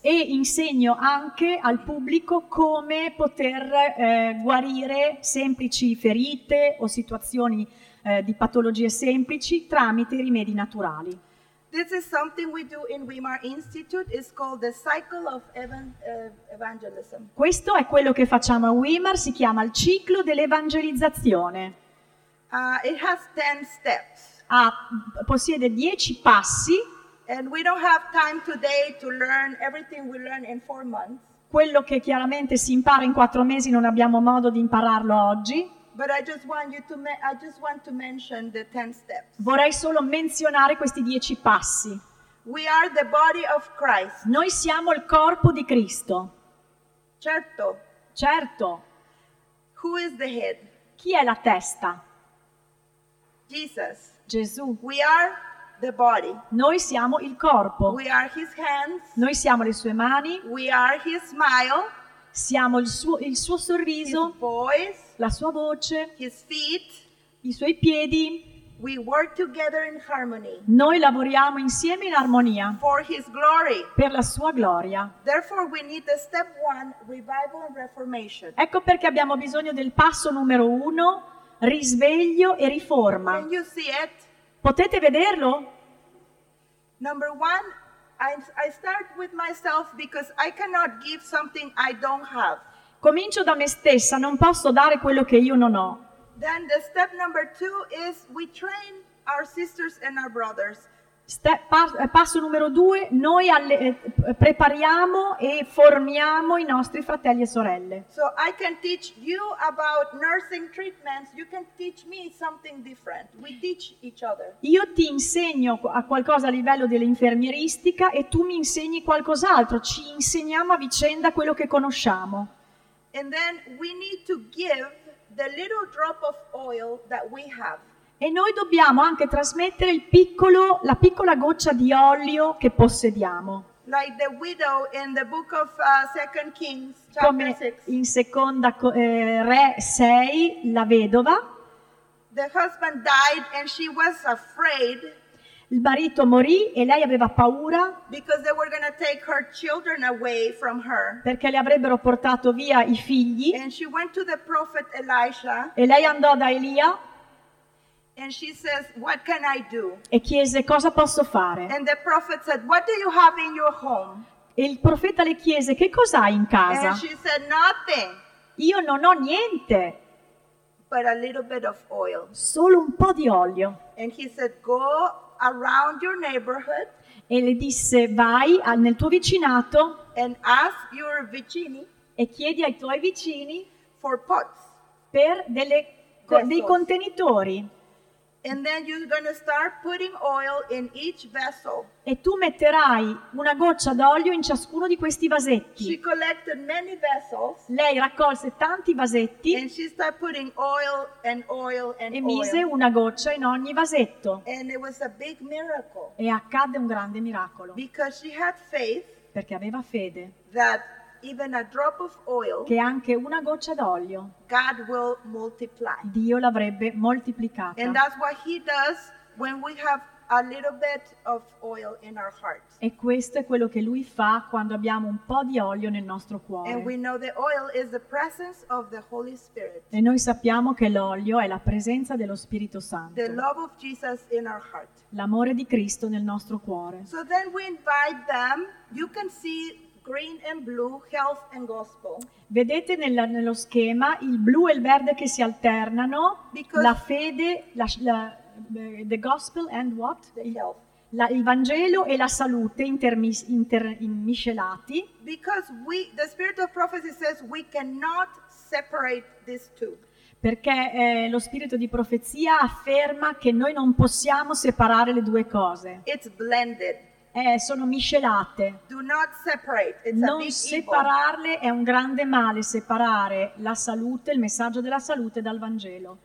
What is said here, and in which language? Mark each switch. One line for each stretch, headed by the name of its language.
Italian: E insegno anche al pubblico come poter guarire semplici ferite o situazioni di patologie semplici tramite rimedi naturali.
English: This is something we do in Wimmer Institute. It's called the cycle of evangelism.
Italian: Questo è quello che facciamo a Wimmer, si chiama il ciclo dell'evangelizzazione.
English: It has 10 steps.
Italian: Possiede 10 passi.
English: And we don't have time today to learn everything we learn in 4 months.
Italian: Quello che chiaramente si impara in 4 mesi non abbiamo modo di impararlo oggi.
English: But I just want to mention the 10 steps.
Italian: Vorrei solo menzionare questi 10 passi.
English: We are the body of Christ.
Italian: Noi siamo il corpo di Cristo. Certo. Certo.
English: Who is the head?
Italian: Chi è la testa?
English: Jesus.
Italian: Gesù.
English: We are the body.
Italian: Noi siamo il corpo.
English: We are his hands.
Italian: Noi siamo le sue mani.
English: We are his smile.
Italian: Siamo il suo sorriso.
English: His voice.
Italian: La sua voce.
English: His feet.
Italian: i suoi piedi.
English: We work together in harmony.
Italian: Noi lavoriamo insieme in armonia.
English: For his glory.
Italian: Per la sua gloria.
English: Therefore we need the step one, revival and reformation.
Italian: Ecco perché abbiamo bisogno del passo numero uno, risveglio e riforma.
English: Can you see it?
Italian: Potete vederlo?
English: Number one, I start with myself because I cannot give something I don't have.
Italian: Comincio da me stessa, non posso dare quello che io non ho.
English: Then the step number two is we train our sisters and our brothers.
Italian: Passo numero due, noi prepariamo e formiamo i nostri fratelli e sorelle.
English: So I can teach you about nursing treatments, you can teach me something different. We teach each other.
Italian: Io ti insegno a qualcosa a livello dell'infermieristica e tu mi insegni qualcos'altro, ci insegniamo a vicenda quello che conosciamo.
English: And then we need to give the little drop of oil that we have.
Italian: E noi dobbiamo anche trasmettere la piccola goccia di olio che possediamo.
English: Like the widow in the book of Second Kings,
Italian: come in Seconda Re 6, la vedova.
English: The husband died and she was afraid.
Italian: Il marito morì e lei aveva paura.
English: Because they were gonna take her children away from her.
Italian: Perché le avrebbero portato via i figli.
English: And she went to the prophet Elisha.
Italian: E lei andò da Elia.
English: And she says, "What can I do?"
Italian: E chiese cosa posso fare.
English: And the prophet said, "What do you have in your home?"
Italian: E il profeta le chiese che cosa hai in casa.
English: And she said, "Nothing."
Italian: Io non ho niente.
English: But a little bit of oil.
Italian: Solo un po' di olio.
English: And he said, "Go around your neighborhood."
Italian: E le disse vai nel tuo vicinato.
English: And ask your vicini.
Italian: E chiedi ai tuoi vicini.
English: For pots.
Italian: Per dei contenitori.
English: And then you're gonna start putting oil in each vessel.
Italian: E tu metterai una goccia d'olio in ciascuno di questi vasetti.
English: She collected many vessels.
Italian: Lei raccolse tanti vasetti.
English: And she started putting oil and oil and oil.
Italian: E mise una goccia in ogni vasetto.
English: And it was a big miracle.
Italian: E accadde un grande miracolo.
English: Because she had faith.
Italian: Perché aveva fede.
English: That even a drop of oil.
Italian: Che anche una goccia d'olio.
English: God will multiply.
Italian: Dio l'avrebbe moltiplicata.
English: And that's what he does when we have a little bit of oil in our hearts.
Italian: E questo è quello che lui fa quando abbiamo un po' di olio nel nostro cuore.
English: And we know the oil is the presence of the Holy Spirit.
Italian: E noi sappiamo che l'olio è la presenza dello Spirito Santo.
English: The love of Jesus in our heart.
Italian: L'amore di Cristo nel nostro cuore.
English: So then we invite them. You can see green and blue, health and gospel.
Italian: Vedete nello schema il blu e il verde che si alternano.
English: Because
Italian: la fede,
English: the gospel and what? The health.
Italian: Il Vangelo e la salute miscelati.
English: Because the spirit of prophecy says we cannot separate these two.
Italian: Perché lo spirito di profezia afferma che noi non possiamo separare le due cose.
English: It's blended.
Italian: Sono miscelate.
English: Do not separate. It's
Italian: non
English: a big
Italian: separarle
English: evil.
Italian: È un grande male separare la salute, il messaggio della salute dal Vangelo.